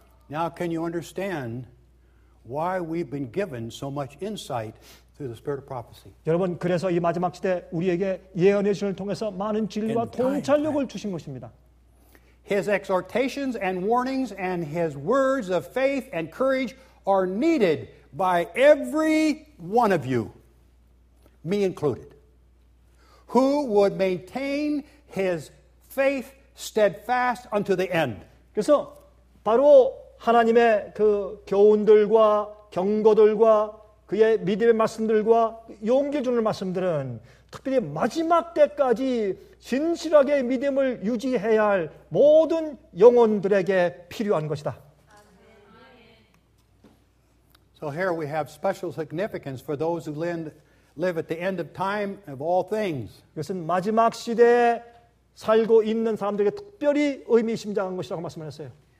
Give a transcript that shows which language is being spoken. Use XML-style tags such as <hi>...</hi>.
<en>Now can you understand why we've been given so much insight through the spirit of prophecy?</en> <ko>여러분 그래서 이 마지막 시대 우리에게 예언의 신을 통해서 많은 진리와 통찰력을 주신 것입니다.</ko> <en>His exhortations and warnings and his words of faith and courage are needed by every one of you, me included, who would maintain His faith steadfast unto the end.</en> <ko>그래서 바로 하나님의 그 교훈들과 경고들과 그의 믿음의 말씀들과 용기 주는 말씀들은 특별히 마지막 때까지 진실하게 믿음을 유지해야 할 모든 영혼들에게 필요한 것이다.</ko> <en>So here we have special significance for those who live at the end of time of all things.</en> <ko>이것은 마지막 시대에 살고 있는 사람들에게 특별히 의미심장한 것이라고 말씀을 했어요.</ko>